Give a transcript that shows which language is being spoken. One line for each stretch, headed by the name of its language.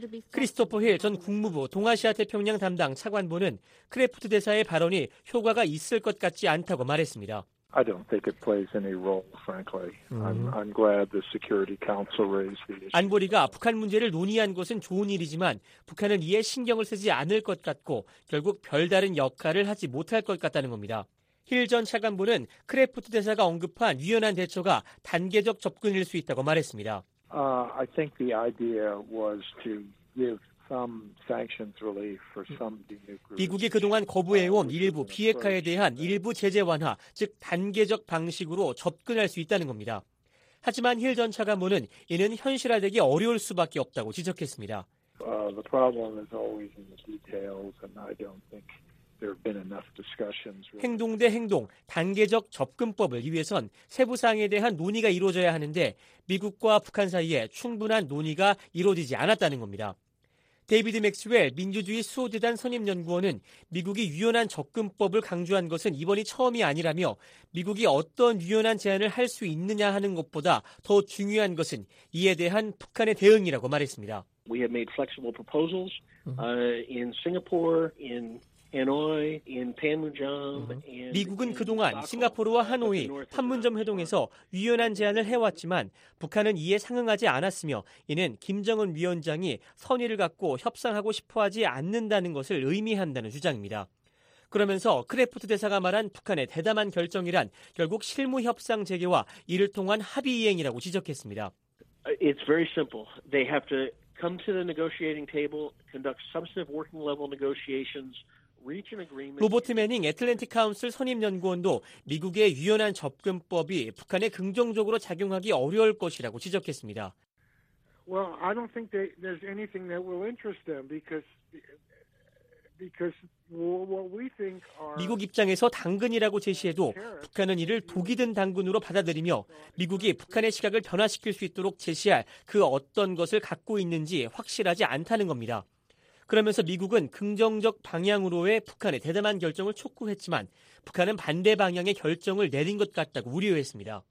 Korean: 크리스토퍼 힐 전 국무부 동아시아 태평양 담당 차관보는 크래프트 대사의 발언이 효과가 있을 것 같지 않다고 말했습니다.
English: I don't think it plays any role, frankly. I'm glad the Security Council raised the issue.
Korean: 안보리가 북한 문제를 논의한 것은 좋은 일이지만 북한은 이에 신경을 쓰지 않을 것 같고 결국 별다른 역할을 하지 못할 것 같다는 겁니다. 힐 전 차관보는 크래프트 대사가 언급한 유연한 대처가 단계적 접근일 수 있다고 말했습니다.
English: I think the idea was to give some sanctions relief for some denuclearization.
Korean: 미국이 그동안 거부해온 일부 비핵화에 대한 일부 제재 완화, 즉 단계적 방식으로 접근할 수 있다는 겁니다. 하지만 힐 전 차관보는 이는 현실화되기 어려울 수밖에 없다고 지적했습니다.
English: The problem is always in the details, and I don't think there have been enough discussions.
Korean: 행동 대 행동, 단계적 접근법을 위해선 세부 사항에 대한 논의가 이루어져야 하는데 미국과 북한 사이에 충분한 논의가 이루어지지 않았다는 겁니다. 데이비드 맥스웰 민주주의 수호재단 선임연구원은 미국이 유연한 접근법을 강조한 것은 이번이 처음이 아니라며 미국이 어떤 유연한 제안을 할 수 있느냐 하는 것보다 더 중요한 것은 이에 대한 북한의 대응이라고 말했습니다.
English: We have made flexible proposals in Singapore, in Hanoi, in Panmunjom.
Korean: 미국은 그동안 싱가포르와 하노이, 판문점 회동에서 유연한 제안을 해왔지만 북한은 이에 상응하지 않았으며 이는 김정은 위원장이 선의를 갖고 협상하고 싶어하지 않는다는 것을 의미한다는 주장입니다. 그러면서 크래프트 대사가 말한 북한의 대담한 결정이란 결국 실무 협상 재개와 이를 통한 합의 이행이라고 지적했습니다.
English: It's very simple. They have to come to the negotiating table, conduct substantive working level negotiations.
Korean: 로버트 매닝 애틀랜틱 카운슬 선임연구원도 미국의 유연한 접근법이 북한에 긍정적으로 작용하기 어려울 것이라고 지적했습니다.
English: Well, I don't think there's anything that will interest them because what we think are
Korean: 미국 입장에서 당근이라고 제시해도 북한은 이를 독이 든 당근으로 받아들이며 미국이 북한의 시각을 변화시킬 수 있도록 제시할 그 어떤 것을 갖고 있는지 확실하지 않다는 겁니다. 그러면서 미국은 긍정적 방향으로의 북한의 대담한 결정을 촉구했지만 북한은 반대 방향의 결정을 내린 것 같다고 우려했습니다.